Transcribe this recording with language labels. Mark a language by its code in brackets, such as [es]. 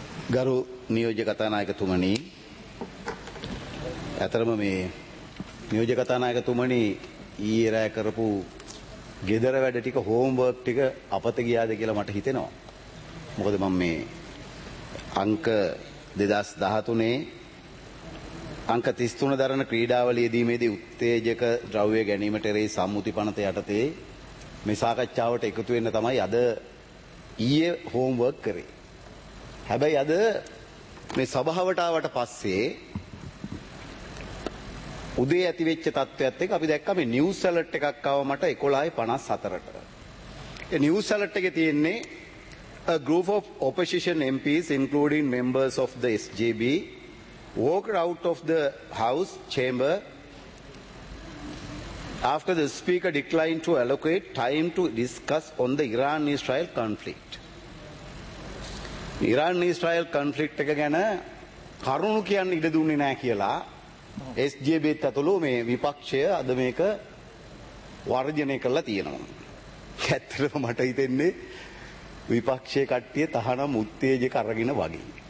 [si] Garu niyojya kathanayakathumani atharama me niyojya kathanayakathumani ee raya karapu gedara weda tika homework tika apata giyada kiyala mata hitenawa mokada man me anka 2013 e අංක 33 දරන ක්‍රීඩාවලියේදීමේදී උත්තේජක ද්‍රව්‍ය ගැනීමට රේ සම්මුති පනත යටතේ මේ සාකච්ඡාවට එකතු වෙන්න තමයි අද ඊයේ හෝම්වර්ක් කරේ. හැබැයි අද මේ සභාවට ආවට පස්සේ උදේ ඇතිවෙච්ච තත්ත්වයත් එක්ක අපි දැක්කා මේ නිවුස් ඇලර්ට් එකක් ආව මට 11:54ට. ඒ නිවුස් ඇලර්ට් එකේ තියෙන්නේ [en] a group of opposition MPs including members of the SJB walked out of the house chamber after the speaker declined to allocate time to discuss on the Iran-Israel conflict. [si] Iran-Israel conflict එක ගැන කරුණු කියන්න ඉඩ දුන්නේ නැහැ කියලා SJB ඇතුළු මේ විපක්ෂය අද මේක වර්ජනය කරලා තියෙනවා. ඇත්තටම මට හිතෙන්නේ විපක්ෂයේ කට්ටිය තහනම් උත්තේජක අරගෙන වගේ.